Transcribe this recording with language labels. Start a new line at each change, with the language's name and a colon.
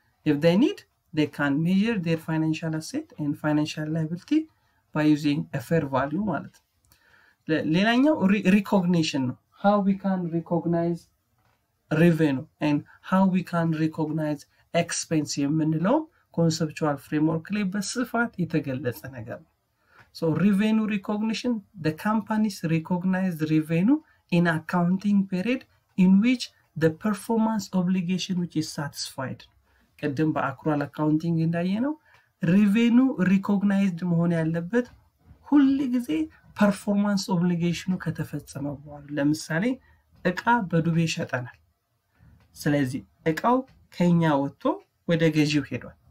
English: If they need, they can measure their financial asset and financial liability by using a fair value wallet.
Amharic: ሌላኛው recognition ነው.
English: How we can recognize revenue and how we can recognize expense የምንለው conceptual framework ላይ
Amharic: በስፋት የተገለጸ ነገር ነው.
English: So revenue recognition, the companies recognize revenue in accounting period in which the performance obligation which is satisfied.
Amharic: ቀደም በአክሩዋል አካውንቲንግ እንዳየነው revenue recognized መሆን ያለበት ሁልጊዜ performance obligationu ከተፈጸመ በኋላ. ለምሳሌ እቃ በዱቤ ሸጠናል. ስለዚህ እቃው ከኛ ወጥቶ ወደ ገዢው ሄዷል.